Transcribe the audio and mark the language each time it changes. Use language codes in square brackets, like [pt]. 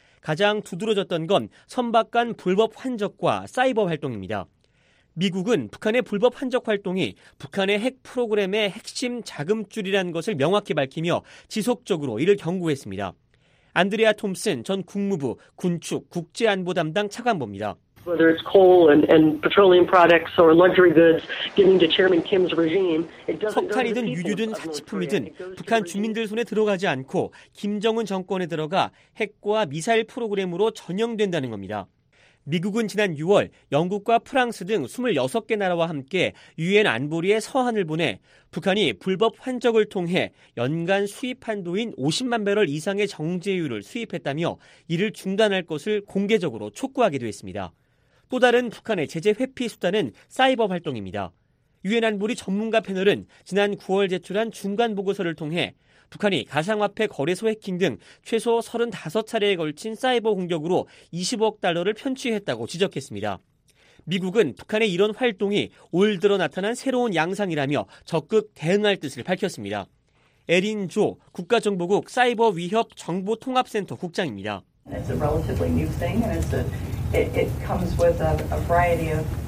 [ko] 가장 두드러졌던 건 선박 간 불법 환적과 사이버 활동입니다. 미국은 북한의 불법 환적 활동이 북한의 핵 프로그램의 핵심 자금줄이라는 것을 명확히 밝히며 지속적으로 이를 경고했습니다. 안드레아 톰슨 전 국무부 군축 국제안보 담당 차관보입니다. [en] Whether it's coal and petroleum products or luxury goods given to Chairman Kim's regime, it doesn't. [ko] 석탄이든 유류든 사치품이든 북한 주민들 손에 들어가지 않고 김정은 정권에 들어가 핵과 미사일 프로그램으로 전염된다는 겁니다. 미국은 지난 6월 영국과 프랑스 등 26개 나라와 함께 유엔 안보리에 서한을 보내 북한이 불법 환적을 통해 연간 수입 한도인 50만 배럴 이상의 정제유를 수입했다며 이를 중단할 것을 공개적으로 촉구하기도 했습니다. 또 다른 북한의 제재 회피 수단은 사이버 활동입니다. 유엔 안보리 전문가 패널은 지난 9월 제출한 중간 보고서를 통해 북한이 가상화폐 거래소 해킹 등 최소 35차례에 걸친 사이버 공격으로 20억 달러를 편취했다고 지적했습니다. 미국은 북한의 이런 활동이 올 들어 나타난 새로운 양상이라며 적극 대응할 뜻을 밝혔습니다. 에린 조 국가정보국 사이버 위협 정보통합센터 국장입니다. [en] It's a relatively new thing and it's a, it comes with a variety of